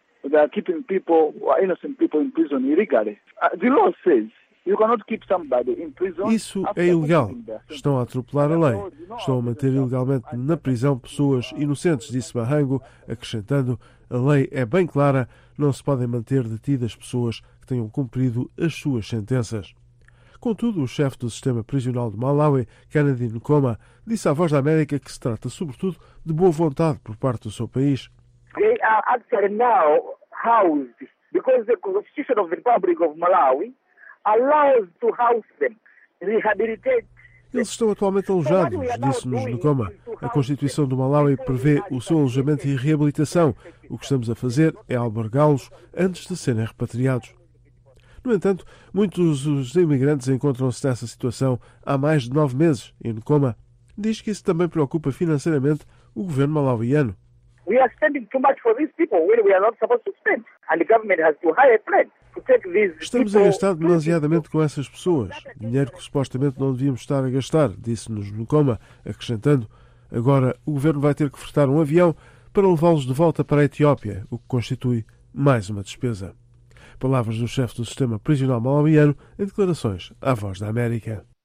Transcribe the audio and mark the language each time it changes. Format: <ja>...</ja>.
<en>They are keeping people, innocent people in prison illegally. The law says you cannot keep somebody in prison.</en> <pt>Isso é ilegal. Estão a atropelar a lei. Estão a manter ilegalmente na prisão pessoas inocentes, disse Mahango, acrescentando: a lei é bem clara, não se podem manter detidas pessoas que tenham cumprido as suas sentenças. Contudo, o chefe do sistema prisional de Malawi, Kennedy Nkoma, disse à Voz da América que se trata sobretudo de boa vontade por parte do seu país.</pt> <en>They are actually now housed because the Constitution of the Republic of Malawi allows to house them, rehabilitate.</en> <pt>Eles estão atualmente alojados, disse-nos Nkoma. A Constituição do Malawi prevê o seu alojamento e reabilitação. O que estamos a fazer é albergá-los antes de serem repatriados. No entanto, muitos dos imigrantes encontram-se nessa situação há mais de 9 meses. E Nkoma diz que isso também preocupa financeiramente o governo malawiano.</pt> <en>We are spending too much for these people when we are not supposed to spend. And the government has to hire a plane.</en> <pt>Estamos a gastar demasiadamente com essas pessoas. Dinheiro que supostamente não devíamos estar a gastar, disse-nos Nkoma, acrescentando: agora o governo vai ter que fretar um avião para levá-los de volta para a Etiópia, o que constitui mais uma despesa. Palavras do chefe do sistema prisional malawiano em declarações à Voz da América.</pt>